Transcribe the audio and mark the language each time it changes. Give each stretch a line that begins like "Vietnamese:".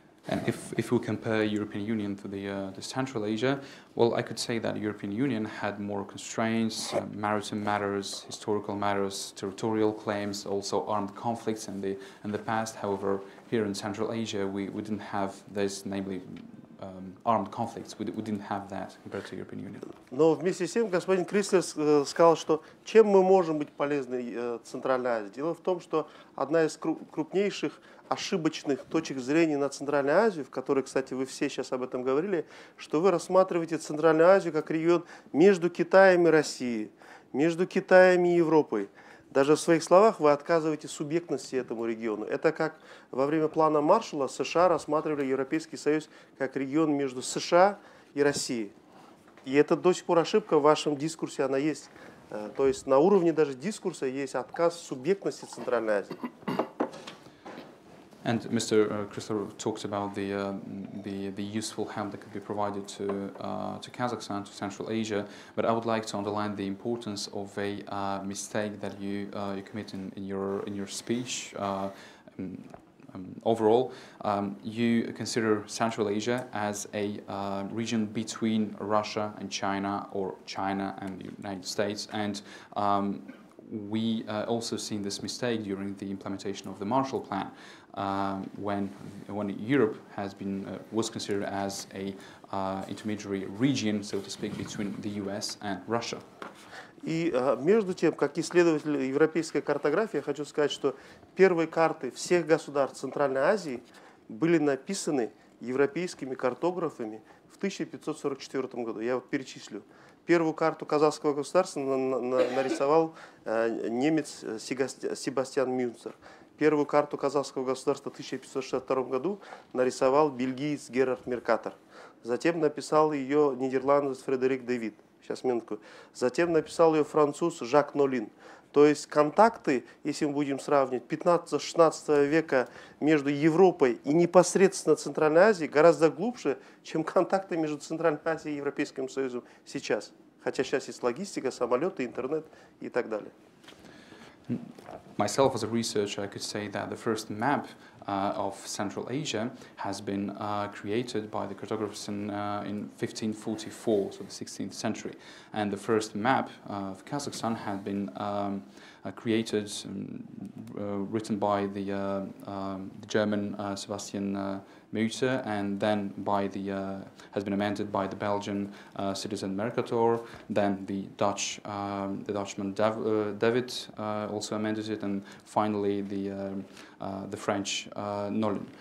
English: And if we compare European Union to the Central Asia, well, I could say that European Union had more constraints, maritime matters, historical matters, territorial claims, also armed conflicts in the past. However, here in Central Asia, we didn't have this, namely armed conflicts. We didn't have that compared to European Union.
Russian: Но вместе с тем, господин Крислер сказал, что чем мы можем быть полезны Центральной Азии? Дело в том, что одна из крупнейших ошибочных точек зрения на Центральную Азию, в которой, кстати, вы все сейчас об этом говорили, что вы рассматриваете Центральную Азию как регион между Китаем и Россией, между Китаем и Европой. Даже в своих словах вы отказываете субъектности этому региону. Это как во время плана Маршалла США рассматривали Европейский Союз как регион между США и Россией. И это до сих пор ошибка в вашем дискурсе, она есть. То есть на уровне даже дискурса есть отказ субъектности Центральной Азии.
English: And Mr. Crystal talked about the useful help that could be provided to Kazakhstan, to Central Asia. But I would like to underline the importance of a mistake that you commit in your speech. Overall, you consider Central Asia as a region between Russia and China, or China and the United States, and we also seen this mistake during the implementation of the Marshall Plan. When Europe has been was considered as a intermediary region, so to speak, between the U.S. and Russia.
Russian: И между тем, как исследователь европейской картографии, я хочу сказать, что первые карты всех государств Центральной Азии были написаны европейскими картографами в 1544 году. Я вот перечислю. Первую карту казахского государства нарисовал немец Себастьян Мюнцер. Первую карту казахского государства в 1562 году нарисовал бельгиец Герард Меркатор. Затем написал ее нидерландец Фредерик Дэвид. Сейчас минутку. Затем написал ее француз Жак Нолин. То есть контакты, если мы будем сравнивать, 15-16 века между Европой и непосредственно Центральной Азией гораздо глубже, чем контакты между Центральной Азией и Европейским Союзом сейчас. Хотя сейчас есть логистика, самолеты, интернет и так далее.
English: Myself as a researcher, I could say that the first map of Central Asia has been created by the cartographers in 1544, so the 16th century. And the first map of Kazakhstan had been created, written by the German Sebastian Mutter, and then by the has been amended by the Belgian citizen Mercator, then the Dutch the Dutchman David also amended it, and finally the French Nolin.